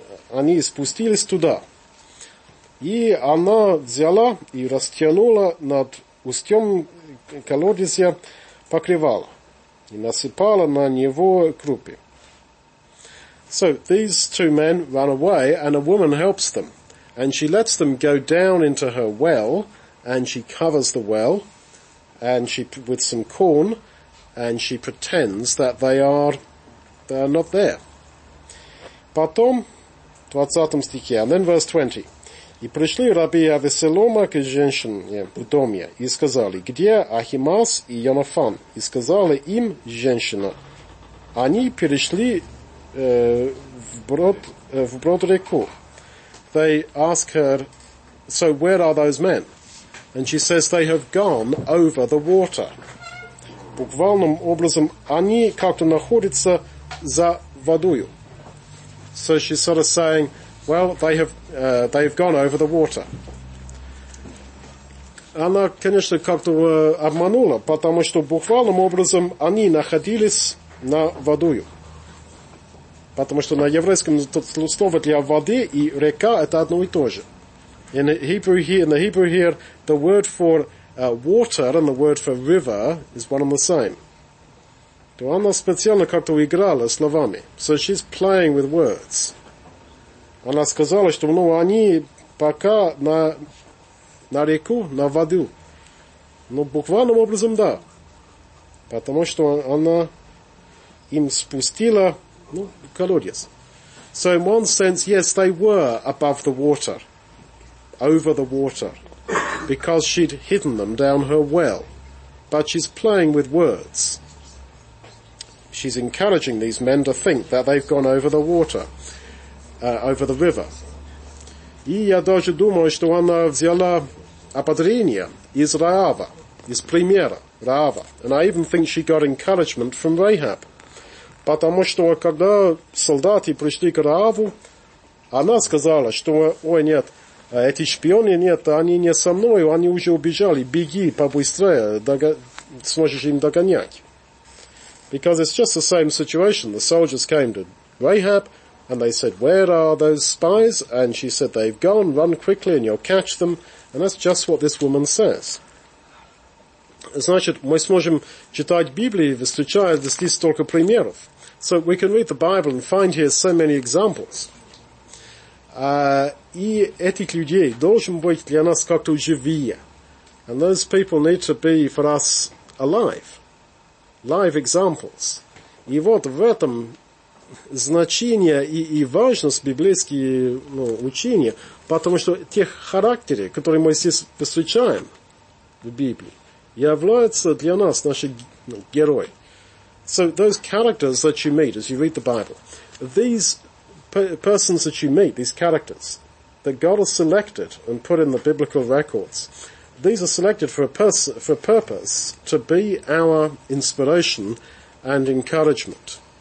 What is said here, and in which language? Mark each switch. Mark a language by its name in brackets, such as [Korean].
[Russian] Они спустились туда. И она взяла и растянула над устьем колодезя покрывало. И насыпала на него крупы. [English] So, these two men run away, and a woman helps them. And she lets them go down into her well, and she covers the well and she with some corn, and she pretends that they are not there. [Russian] Потом, 20 стихе, [English] and then verse 20. [Russian] И пришли рабы Авессалома к женщине в доме и сказали, где Ахимаас и Йонафан? И сказали им женщина, они перешли вброд реку. [English] They ask her, so where are those men? And she says, they have gone over the water. [Russian] Буквальным образом, они как-то находятся за водою. [English] So she's sort of saying, well, they've gone over the water. [Russian] Она, конечно, как-то обманула, потому что буквальным образом они находились на водою. Потому что на еврейском слово для воды и река это одно и то же. [English] In the Hebrew here, the word for water and the word for river is one and the same. [Russian] То она специально как-то играла словами. [English] So she's playing with words. [Russian] Она сказала, что ну, они пока на реку, на воду. Ну, буквальным образом, да. Потому что она им спустила, ну, колодец. [English] So in one sense, yes, they were above the water, over the water, because she'd hidden them down her well. But she's playing with words. She's encouraging these men to think that they've gone over the water, over the river. [Russian] И я даже думаю, что она взяла ободрение из Раава, из примера Раава. [English] And I even think she got encouragement from Rahab. [Russian] Потому что когда солдаты пришли к Рааву, она сказала, что, ой, нет, эти шпионы, нет, они не со мной, они уже убежали, беги побыстрее, сможешь им догонять. [English] Because it's just the same situation. The soldiers came to Rahab, and they said, where are those spies? And she said, they've gone, run quickly, and you'll catch them. And that's just what this woman says. [Russian] Значит, мы сможем читать Библию, встречая здесь только примеров. [English] So we can read the Bible and find here so many examples. [Russian] И этих людей должен быть для нас как-то живее. [English] And those people need to be for us alive. Live examples. [Russian] И вот в этом значение и важность библейские, ну, учения, потому что тех характеров, которые мы здесь встречаем в Библии, являются для нас наши герои. [English] So those characters that you meet as you read the Bible, these persons that you meet, these characters that God has selected and put in the biblical records, these are selected for a purpose to be our inspiration and encouragement.